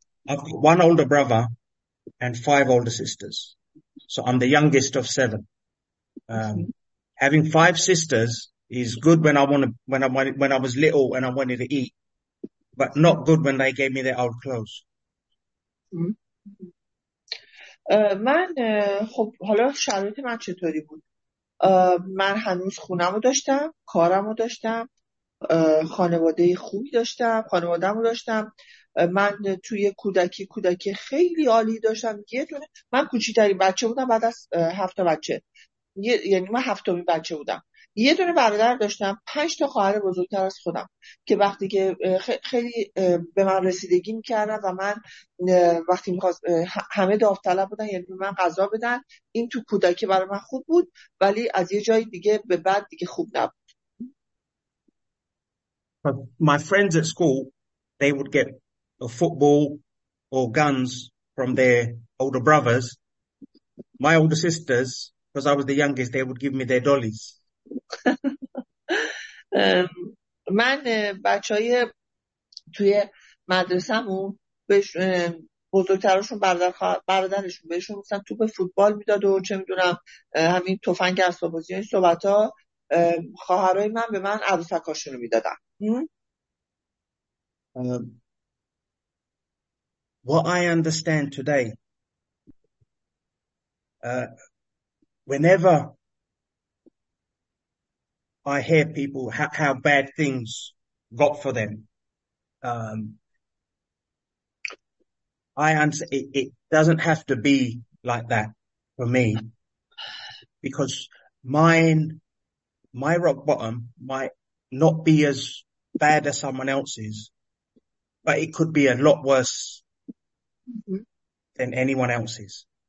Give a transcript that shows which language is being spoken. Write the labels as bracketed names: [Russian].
[English] I've got one older brother and five older sisters. So I'm the youngest of seven. Having five sisters is good when I was little and I wanted to eat, but not good when they gave me their old clothes. [Persian] من خب حالا شرایط من چطوری بود؟ من هنوز خونم رو داشتم، کارم رو داشتم، خانواده خوبی داشتم، خانواده‌ام رو داشتم. من توی کودکی خیلی عالی داشتم. یه دونه من کوچیک‌ترین بچه بودم بعد از 7 تا بچه. یعنی من 7 تا بچه بودم. یه دونه برادر داشتم، 5 تا خواهر بزرگتر از خودم که وقتی که خیلی به من رسیدگی میکردن و من وقتی میخواست همه داوطلب بودن، یعنی به من غذا بدن. این تو کودکی برای من خوب بود، ولی از یه جای دیگه به بعد دیگه خوب نبود. [English] My friends at school, they would get a football or guns from their older brothers. My older sisters, because I was the youngest, they would give me their dollies. [Persian] من بچهای توی مدرسه‌مون بزرگترشون برادرشون بهشون مثلا توپ فوتبال میداد و چه میدونم همین تفنگ اسباب‌بازی این صحبتا. خواهرای من به من عروسکاشون رو میدادن. [English] What I understand today, whenever I hear people how bad things got for them. I answer it doesn't have to be like that for me, because my rock bottom might not be as bad as someone else's, but it could be a lot worse than anyone else's.